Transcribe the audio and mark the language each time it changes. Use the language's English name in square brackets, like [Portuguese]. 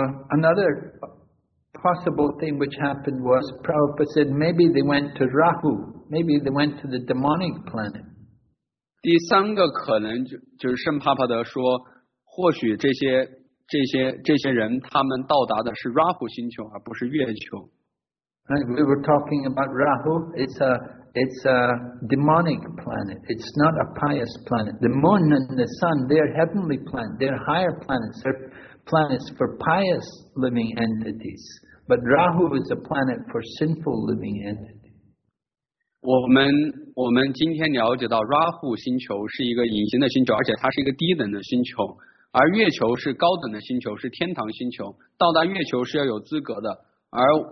[English] Another possible thing which happened was Prabhupada said maybe they went to Rahu, maybe they went to the demonic planet. [Chinese] 第三个可能就是圣帕帕德说，或许这些人他们到达的是 Rahu 星球而不是月球。 [English] We were talking about Rahu. It's a demonic planet. It's not a pious planet. The moon and the sun, they're heavenly planets. They're higher planets. They're planets for pious living entities. But Rahu is a planet for sinful living entities. [Chinese] 我们今天了解到 Rahu 星球是一个隐形的星球，而且它是一个低等的星球。而月球是高等的星球，是天堂星球。到达月球是要有资格的，而